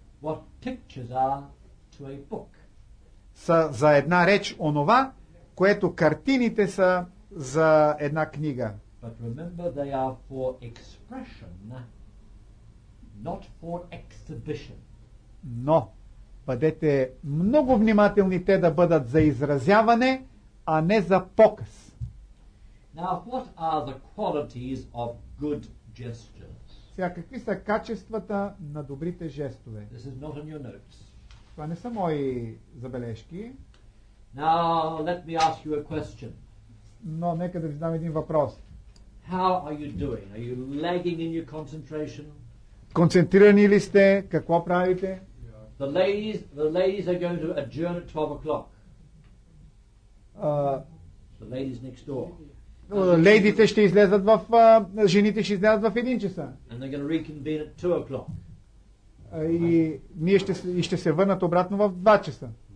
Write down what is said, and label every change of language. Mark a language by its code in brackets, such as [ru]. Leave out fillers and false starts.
[en] What pictures are to a book. [bg] Са за една реч онова, което картините са за една книга. [en] But remember, they are for expression, not for exhibition. [bg] Но бъдете много внимателни те да бъдат за изразяване, а не за показ. [en] Now, what are the qualities of good gestures? [bg] Сега, какви са качествата на добрите жестове? [en] This is not on your notes. [bg] Това не са мои забележки. [en] Now, let me ask you a question. [bg] Но нека да ви задам един въпрос. [en] How are you doing? Are you lagging in your concentration? [bg] Концентрирани ли сте? Какво правите? Yeah. [en] The ladies are going to adjourn at 12 o'clock. The ladies next door. [bg] Лейдите ще излезат в... жените ще излезат в 1 часа. [en] And they're going to reconvene at 2 o'clock. [bg] И ще се върнат обратно в 2 часа.